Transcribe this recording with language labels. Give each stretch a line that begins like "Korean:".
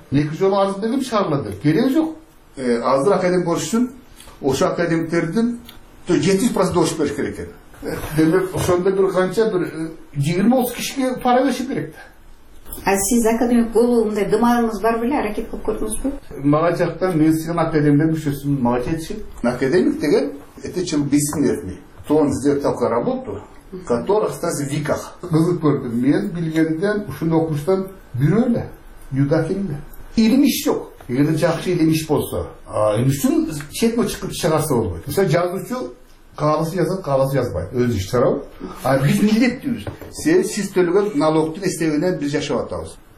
Kyrgyz: Эки жолу арыз берип шаарладык. Кереги жок. Азыр академик болуш үчүн ошо академиктердин 70% добуш бериш керек экен. Демек ошондо бир канча бир 20-30 кишиге пара бериш керек да. А сиз академик болуу мындай дымагыңыз бар беле, аракет кылып көрдүңүзбү? Мага жактан медицина академиянын мүчөсүн мага жетишет.
Russian: Академик деген это чем бессмертный. То он сделал такую работу, которая остается в веках.
Kyrgyz: Кызык көрдүм. Мен билгенден ушуну окумуштан бирөө эле Юдафин эле. Илим иш жок. Эгерде жакшы илим иш болсо, эмне үчүн четке чыгып чыгарса болбойт? Мисалы жазуучу каалысы жазат, каалысы жазбайт. Өзү иш чыгарабы? А биз милдеттүүбүз. Сиз төлөгөн налогдун эсебинен биз жашап атабыз.